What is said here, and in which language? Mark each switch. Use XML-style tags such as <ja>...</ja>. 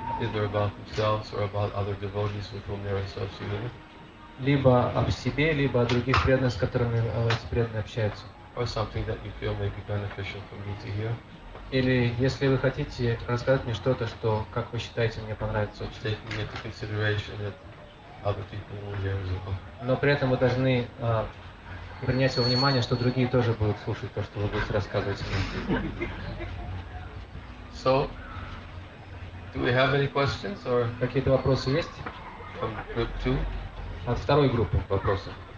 <en>Either about themselves or about other devotees with whom they're associated.</en> <ru>Либо об себе, либо о других преданных, с которыми эти преданные общаются.</ru> <en>Or something that you feel may be beneficial for me to hear.</en> <ru>Или если вы хотите рассказать мне что-то, что, как вы считаете, мне понравится.</ru> <en>Taking into consideration that other people will hear as well.</en> <ru>Но при этом вы должны принять во внимание, что другие тоже будут слушать то, что вы будете рассказывать мне.</ru> <en>So, do we have any questions or</en> <ru>какие-то вопросы есть?</ru> <en>From group two?</en> <ru>От второй группы вопросов.</ru>